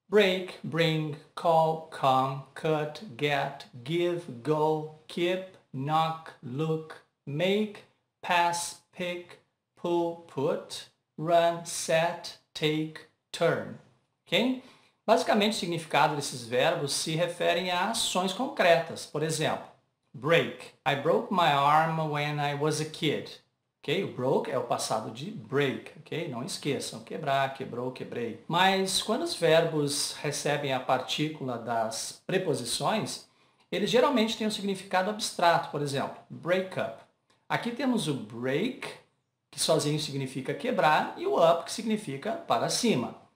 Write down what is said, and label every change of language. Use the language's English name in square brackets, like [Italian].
[English] Break, bring, call, come, cut, get, give, go, keep, knock, look, make, pass, pick, pull, put, run, set, take, turn, ok? [Portuguese] Basicamente, o significado desses verbos se referem a ações concretas. Por exemplo, break. [English] I broke my arm when I was a kid. [Portuguese] Okay? O broke é o passado de break. Okay? Não esqueçam. Quebrar, quebrou, quebrei. Mas quando os verbos recebem a partícula das preposições, eles geralmente têm um significado abstrato. Por exemplo, break up. Aqui temos o break, que sozinho significa quebrar, e o up, que significa para cima.